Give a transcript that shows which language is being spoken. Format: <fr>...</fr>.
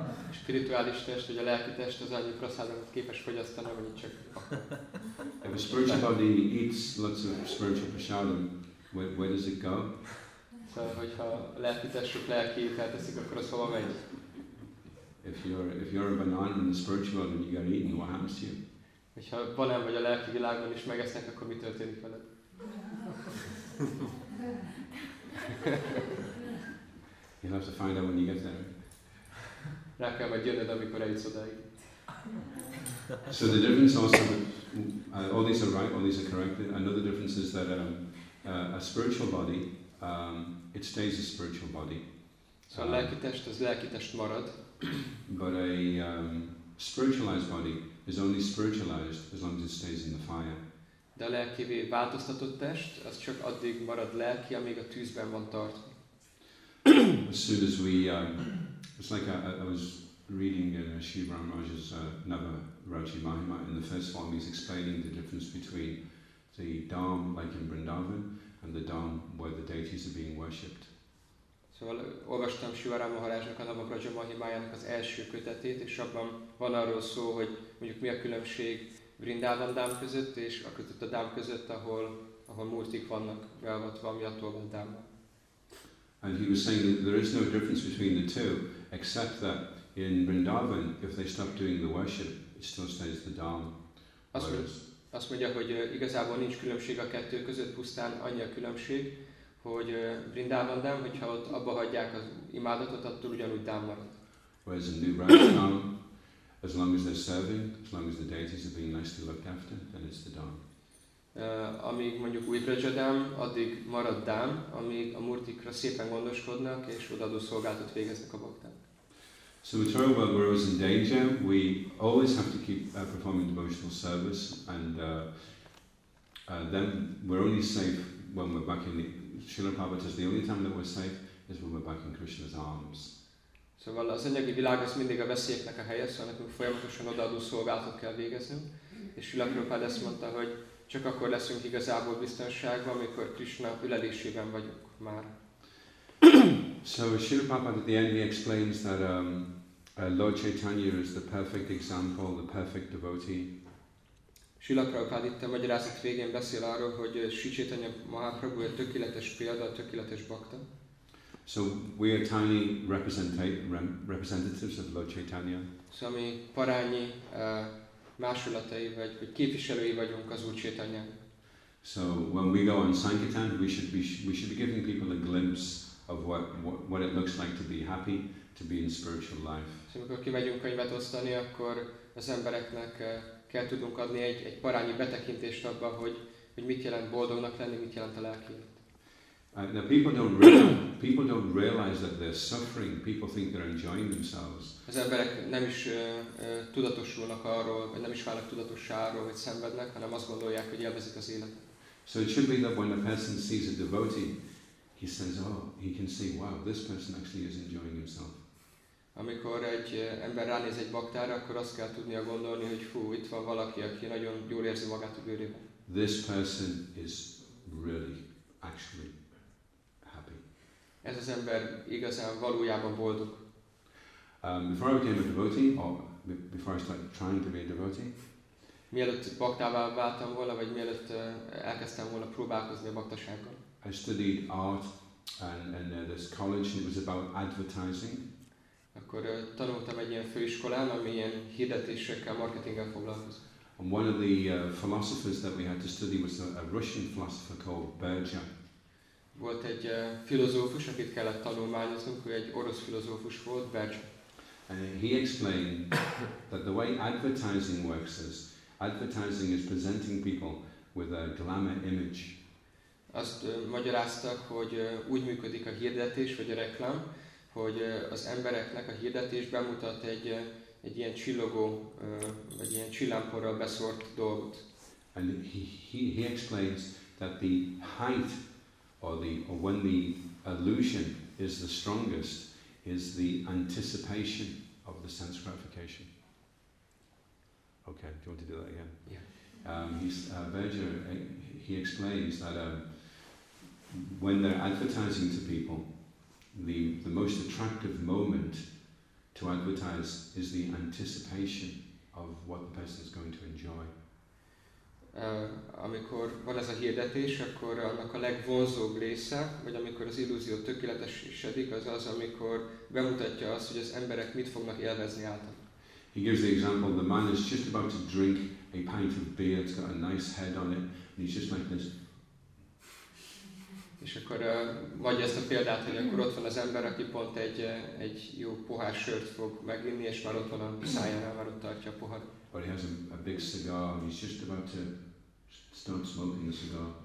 <hu>Spirituális test, hogy a lelki test az annyi prasádát képes fogyasztani, hogy itt csak.</hu> <en>If a spiritual body eats lots of spiritual prasadam, where does it go?</en> <hu>Szóval, hogyha a lelki test sok lelki ételt teszik, akkor az hova megy?</hu> <en>If you're a banana in the spiritual world and you get eaten, what happens to you?</en> <hu>Hogyha banán vagy a lelki világban is megesznek, akkor mi történik veled?</hu> <en>You'll have to find out when you get there.</en> <hu>Rá kell majd jönnöd, amikor eljutsz odáig.</hu> <en>So the difference also, all these are right, all these are correct. Another difference is that a spiritual body, it stays a spiritual body.</en> <hu>So a lelki test, az lelki test marad.</hu> <en>But a spiritualized body is only spiritualized as long as it stays in the fire.</en> <hu>De a lelkivé változtatott test, az csak addig marad lelki, amíg a tűzben van tartva.</hu> <en>As soon as we, it's like I was reading in Sri Ramaraj's Navaraji Mahima, in the first form he's explaining the difference between the Dham, like in Vrindavan, and the Dham where the deities are being worshipped.</en> <hu>Szóval olvastam Sivara Maharajnak a Navaraja Mahimájának az első kötetét, és abban van arról szó, hogy mondjuk mi a különbség Vrindavan Dham között, és a kötött a Dham között, ahol murtik vannak beavatva, ami attól van Dham.</hu> <en>And he was saying that there is no difference between the two, except that in Vrindavan, if they stop doing the worship, it still stays the Dham.</en> <hu>Azt mondja, hogy igazából nincs különbség a kettő között, pusztán annyi a különbség, hogy Vrindavan Dham, hogyha ott abba hagyják az imádatot, attól ugyanúgy Dham marad.</hu> <en>Whereas in New Vrindavan, as long as they're serving, as long as the deities are being nicely looked after, then it's the Dham.</en> <hu>Amíg mondjuk új Brajadám, addig marad Dám, amíg a murtikra szépen gondoskodnak és odaadó szolgálatot végeznek a bakták.</hu> <en>So the material world, we're always in danger. We always have to keep performing devotional service, and then we're only safe when we're back in Srila Prabhupada's. The only time that we're safe is when we're back in Krishna's arms.</en> <hu>Szóval az anyagi világ az mindig a veszélyeknek a helye, szóval nekünk folyamatosan odaadó szolgálatot kell végeznünk. És Srila Prabhupada ezt mondta, hogy csak akkor leszünk igazából biztonságban, amikor Krishna ülelésében vagyunk már.</hu> <en>So Srila Prabhupada at the end he explains that Lord Chaitanya is the perfect example, the perfect devotee.</en> <hu>Srila Prabhupada itt a magyarázat végén beszél arról, hogy Sri Chaitanya Mahaprabhu egy tökéletes példa, a tökéletes bhakta.</hu> <en>So we are tiny representatives of Lord Chaitanya.</en> <hu>So mi parányi másolatai vagy képviselői vagyunk az Úr Chaitanyának.</hu> <en>So when we go on Sankirtan, we should be giving people a glimpse of what it looks like to be happy, to be in spiritual life.</en> <hu>So, amikor kimegyünk könyvet osztani, akkor az embereknek kell tudunk adni egy parányi betekintést abba, hogy mit jelent boldognak lenni, mit jelent a lelki élet.</hu> <en>Now people don't realize that they're suffering. People think they're enjoying themselves.</en> <hu>Az emberek nem is tudatosulnak arról, vagy nem is válnak tudatossá arról, hogy szenvednek, hanem azt gondolják, hogy élvezik az életet.</hu> <en>So it should be that when a person sees a devotee, he says, "Oh, he can see, wow, this person actually is enjoying himself."</en> <hu>Amikor egy ember ránéz egy baktára, akkor azt kell tudnia gondolni, hogy fú, itt van valaki, aki nagyon jól érzi magát a bőrében.</hu> <en>This person is really, actually.</en> <hu>Ez az ember igazán valójában boldog.</hu> <en>Before I became a devotee, or before I started trying to be a devotee,</en> <hu>mielőtt baktává váltam volna, vagy mielőtt elkezdtem volna próbálkozni a baktasággal,</hu> <en>I studied art and this college, and it was about advertising.</en> <hu>Akkor tanultam egy ilyen főiskolán, ami ilyen hirdetésekkel, marketinggel foglalkozik.</hu> <en>And one of the philosophers that we had to study was a Russian philosopher called Berger.</en> <hu>Volt egy filozófus, akit kellett tanulmányoznunk, hogy egy orosz filozófus volt, Berger.</hu> <en>And he explained that the way advertising works is, advertising is presenting people with a glamour image.</en> <hu>Azt magyaráztak, hogy úgy működik a hirdetés, vagy a reklám, hogy az embereknek a hirdetés bemutat egy ilyen csillogó, vagy ilyen csillámporral beszórt dolgot.</hu> <en>And he explains that the height or when the illusion is the strongest, is the anticipation of the sense gratification. Okay, do you want to do that again? Yeah. Berger, he explains that when they're advertising to people, the most attractive moment to advertise is the anticipation of what the person is going to enjoy.</en> <hu>Amikor van ez a hirdetés, akkor annak a legvonzóbb része, vagy amikor az illúzió tökéletesedik, az az, amikor bemutatja azt, hogy az emberek mit fognak élvezni által.</hu> <en>He gives the example, the man is just about to drink a pint of beer, it's got a nice head on it, and he's just like this.</en> <hu>És akkor mondja ezt a példát, hogy akkor ott van az ember, aki pont egy jó pohár sört fog meginni, és már ott van a szájánál, már ott tartja a pohár.</hu> <en>Or he has a big cigar and he's just about to start smoking the cigar.</en>